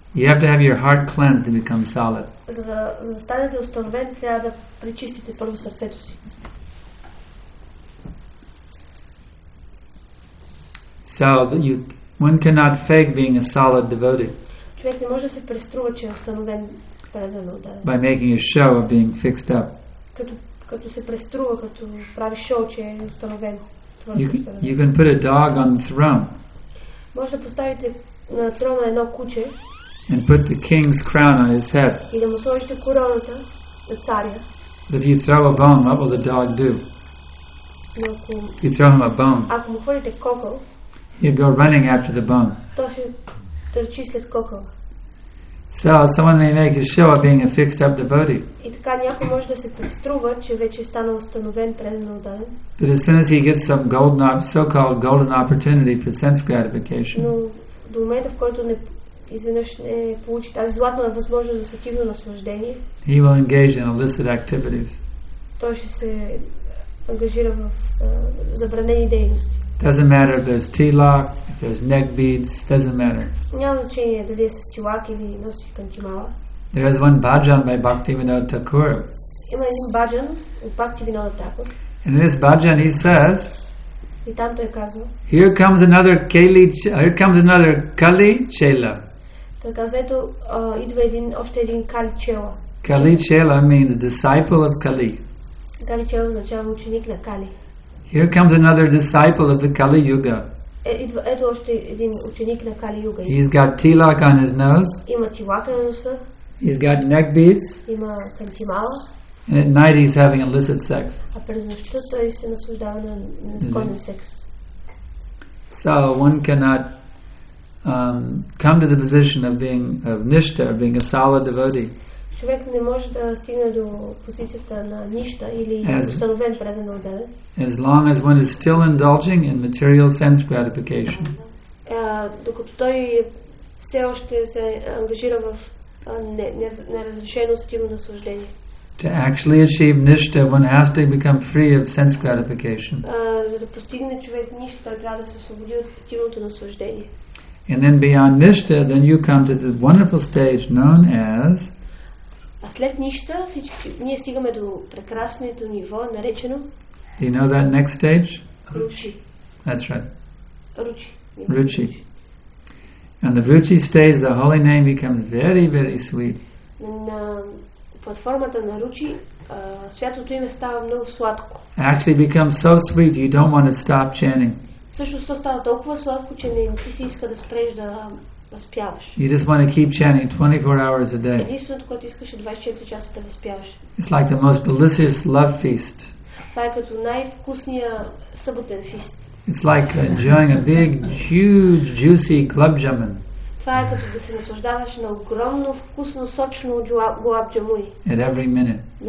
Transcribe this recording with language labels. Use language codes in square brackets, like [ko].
[en] You have to have your heart cleansed to become solid. [bg] За да станете установен, трябва да пречистите първо сърцето си. [en] So you, one cannot fake being a solid devotee. [bg] Човек не може да се преструва, че е установен предано. [en] By making a show of being fixed up. [bg] Като се преструва, като прави шоу, че е установен. [en] You can put a dog on the throne. [bg] Може да поставите на трона едно куче. [en] And put the king's crown on his head. И да му сложите короната на царя. But if you throw a bone, what will the dog do? You throw him a bone. [bg] Ако му хвърлите кокъл, [en] he'll go running after the bone. [bg] Той ще търчи след кокъл. [en] So someone may make a show of being a fixed up devotee. [bg] И така някой може да се преструва, че вече е станал установен, предан, отдаден. [en] But as soon as he gets some golden, so-called golden opportunity for sense gratification. [bg] Но до момента, в който не изведнъж не получи тази златна възможност за сативно наслаждение. [en] He will engage in illicit activities. [bg] Той ще се ангажира в забранени дейности. [en] Doesn't matter if there's tilak, if there's neck beads, doesn't matter. [bg] Няма значение дали е с тилак или носи кантимала. [en] There is one bhajan by Bhaktivinoda Thakur. [bg] Има един bhajan от Bhaktivinoda Thakur. [en] And in this bhajan he says, [bg] и там той казва, [en] here comes another Kali, here comes another Kali Chela. [bg] Той казва, ето идва един, още един Kali Chela. [en] Kali Chela means disciple of Kali. [bg] Kali Chela означава ученик на Kali. [en] Here comes another disciple of the Kali Yuga. [bg] Ето още един ученик на Kali Yuga. [en] He's got tilak on his nose. [bg] Има тилак на носа. [en] He's got neck beads. [bg] Има кантимала. [en] And at night he's having illicit sex. [bg] А през нощта той се наслаждава на незаконен секс. [en] So one cannot come to the position of being of nishta, of being a solid devotee. [bg] Човек не може да стигне до позицията на нища или установен предан отдаден. [en] As long as one is still indulging in material sense gratification. [bg] Докато той все още се ангажира в неразрешено сативно наслаждение. [en] To actually achieve nishta, one has to become free of sense gratification. [bg] За да постигне човек нища, той трябва да се освободи от сативното наслаждение. [en] And then beyond nishta, then you come to the wonderful stage known as [bg] след нищо, всички, ние стигаме до прекрасното ниво, наречено. [en] Do you know that next stage? [sa] Ручи. [en] That's right. [sa] Ручи. Ручи. [en] And the ручи stage, the holy name becomes very, very sweet. [bg] На платформата на ручи, святото име става много сладко. [en] Actually becomes so sweet, you don't want to stop chanting. [bg] Всъщност то става толкова сладко, че не ти си иска да спреш да [en] You just want to keep chanting 24 hours a day. It's like the most delicious love feast. It's like enjoying a big, huge, juicy club jamun. At every minute.